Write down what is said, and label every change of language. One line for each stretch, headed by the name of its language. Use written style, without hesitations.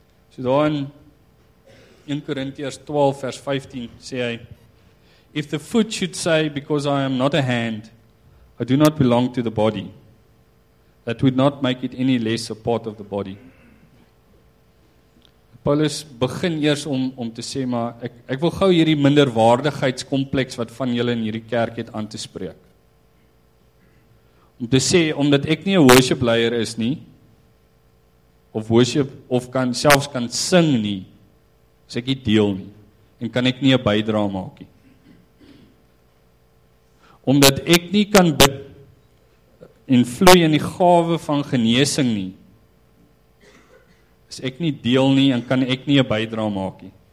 Afrikaans: So daar in 1 Korintiërs 12 vers 15 sê hy,
English: If the foot should say, because I am not a hand, I do not belong to the body, that would not make it any less a part of the body.
Afrikaans: Paulus begin eers om te sê, maar ek wil gauw hierdie minderwaardigheidskompleks wat van julle in hierdie kerk het aan te spreek. Om te sê, omdat ek nie 'n worship leier is nie, of worship, of kan, selfs kan sing nie, as ek nie deel nie, en kan ek nie 'n bydra maak nie. Omdat ek nie kan bid, en vloei in die gawe van geneesing nie, as ek nie deel nie, en kan ek nie 'n bydra maak nie.